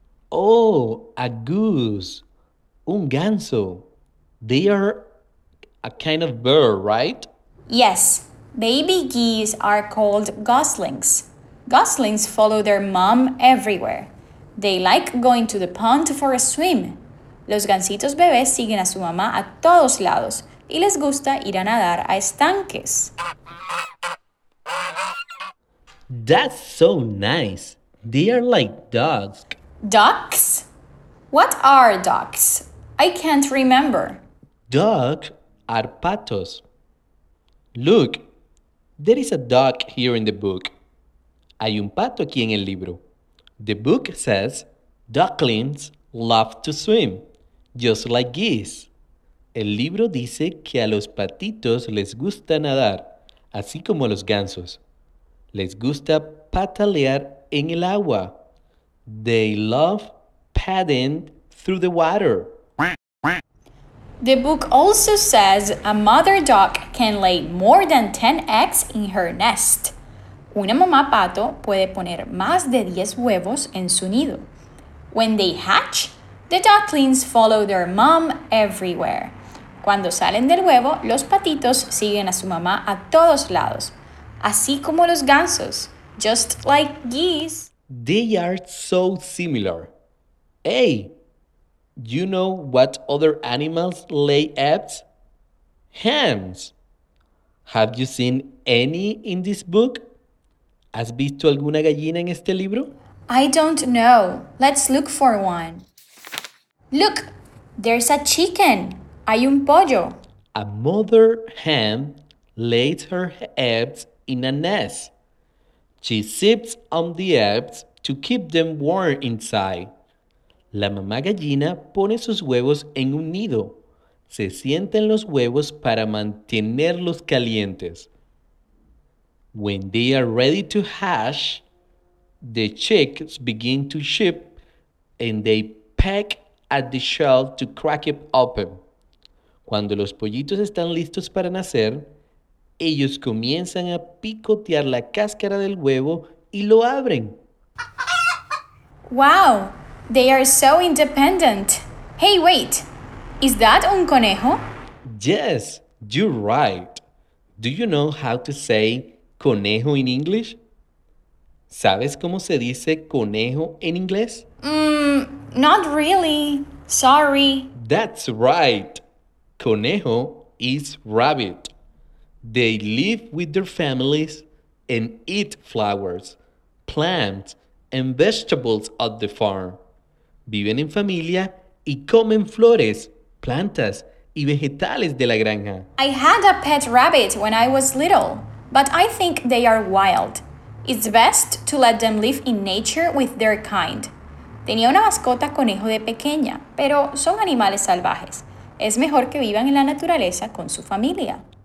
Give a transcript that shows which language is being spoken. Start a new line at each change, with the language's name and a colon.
English: Oh, a goose.
Spanish: Un ganso.
English: They are a kind of bird, right? Yes. Baby geese are called goslings. Goslings follow their mom everywhere. They like going to the pond for a swim.
Spanish: Los gansitos bebés siguen a su mamá a todos lados y les gusta ir a nadar a estanques.
English: That's so nice. They are like dogs. Ducks? What are ducks? I can't remember. Ducks are patos. Look, there is a duck here in the book.
Spanish: Hay un pato aquí en el libro.
English: The book says, ducklings love to swim, just like geese.
Spanish: El libro dice que a los patitos les gusta nadar, así como a los gansos. Les gusta patalear en el agua.
English: They love paddling through the water. The book also says a mother duck can lay more than 10 eggs in her nest.
Spanish: Una mamá pato puede poner más de 10 huevos en su nido.
English: When they hatch, the ducklings follow their mom everywhere.
Spanish: Cuando salen del huevo, los patitos siguen a su mamá a todos lados. Así como los gansos,
English: just like geese. They are so similar. Hey, you know what other animals lay eggs? Hens. Have you seen any in this book?
Spanish: ¿Has visto alguna gallina en este libro?
English: I don't know. Let's look for one. Look, there's a chicken.
Spanish: Hay un pollo.
English: A mother hen lays her eggs in a nest. She sips on the eggs to keep them warm inside.
Spanish: La mamá gallina pone sus huevos en un nido. Se sienten los huevos para mantenerlos calientes.
English: When they are ready to hatch, the chicks begin to chip and they peck at the shell to crack it open.
Spanish: Cuando los pollitos están listos para nacer, ellos comienzan a picotear la cáscara del huevo y lo abren.
English: Wow, they are so independent. Hey, wait, is that un conejo? Yes, you're right. Do you know how to say conejo in English?
Spanish: ¿Sabes cómo se dice conejo en inglés?
English: Not really. Sorry. That's right. Conejo is rabbit. They live with their families and eat flowers, plants, and vegetables at the farm.
Spanish: Viven en familia y comen flores, plantas, y vegetales de la granja.
English: I had a pet rabbit when I was little, but I think they are wild. It's best to let them live in nature with their kind.
Spanish: Tenía una mascota conejo de pequeña, pero son animales salvajes. Es mejor que vivan en la naturaleza con su familia.